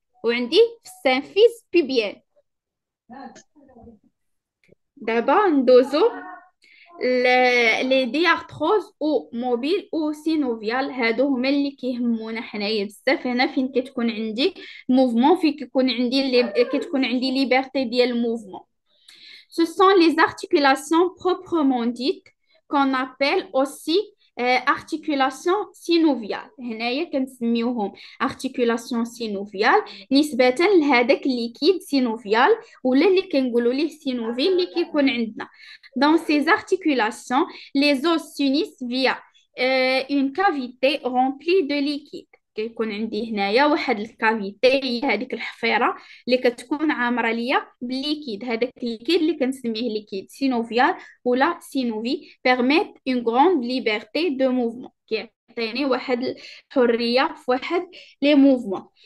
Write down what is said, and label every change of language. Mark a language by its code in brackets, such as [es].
[ar] وعندي في السانفيز بيبيان. دابا ندوزو لي ديارتروز او موبيل او سينوفيال، هادو هما اللي كيهمونا حنايا بزاف. هنا فين كتكون عندي موفمون، فين كيكون عندي كتكون عندي ليبرتي ديال الموفمون. [fr] Ce sont les articulations proprement dites qu'on appelle aussi articulations synoviales. [ar] هنايا كنسميوهم articulation synoviale نسبة لهذاك الليكيد synovial ولا اللي كنقولوا ليه synovial اللي كيكون عندنا. [fr] Dans ces articulations, les os s'unissent via une cavité remplie de liquide. [ar] كيكون عندي هنايا واحد الكافيتي، هذيك الحفيره اللي كتكون عامره ليا بالليكيد. هذاك الليكيد اللي كنسميه ليكيد سينوفيال ولا سينوفي [fr] بيرميت اون غروند ليبرتي دو موفمون، [ar] كيعطيني واحد الحريه في واحد لي موفمون.